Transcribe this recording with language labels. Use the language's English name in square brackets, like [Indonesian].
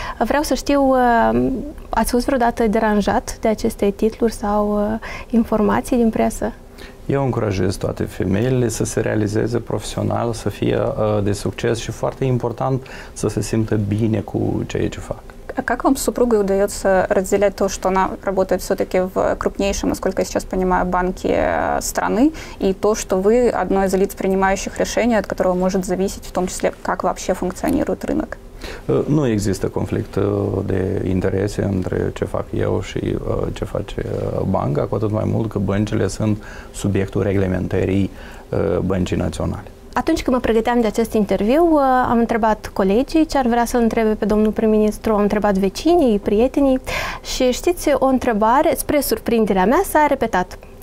[Romanian] Vreau să știu, ați fost vreodată deranjat de aceste titluri sau informații din presă? Eu încurajez toate femeile să se realizeze profesional, să fie de succes și foarte important să se simtă bine cu ceea ce fac. [Russian] А как вам с супругой удается разделять то, что она работает все-таки в крупнейшем, насколько я сейчас понимаю, банке страны, и то, что вы одно из лиц, принимающих решения, от которого может зависеть, в том числе, как вообще функционирует рынок? [Romanian] Nu există conflict de interese între ce fac eu și ce face banca, cu atât mai mult că băncile sunt subiectul reglementării băncii naționale. Atunci când mă pregăteam de acest interviu, am întrebat colegii ce ar vrea să-l întrebe pe domnul prim-ministru, am întrebat vecinii, prietenii și știți, o întrebare, spre surprinderea mea, s-a repetat.